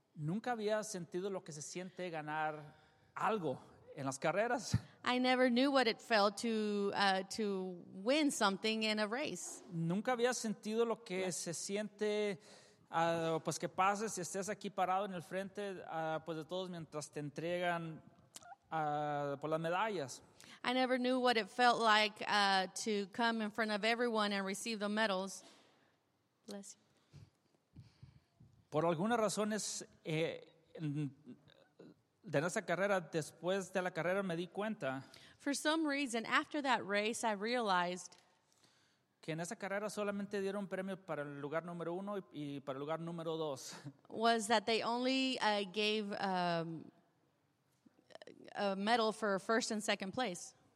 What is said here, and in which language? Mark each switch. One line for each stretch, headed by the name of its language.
Spanish: Nunca había sentido lo que se siente ganar algo en las carreras.
English: I never knew what it felt to win something in a race.
Spanish: Nunca había sentido lo que se siente pues que pases y estés aquí parado en el frente pues de todos mientras te entregan por las medallas.
English: I never knew what it felt like to come in front of everyone and receive the medals. Bless you.
Spanish: Por algunas razones de esa carrera, después de la carrera me di cuenta.
English: For some reason, after that race, I realized
Spanish: que en esa carrera solamente dieron premio para el lugar número uno y para el lugar número dos.
English: Was that they only gave a medal for first and second place.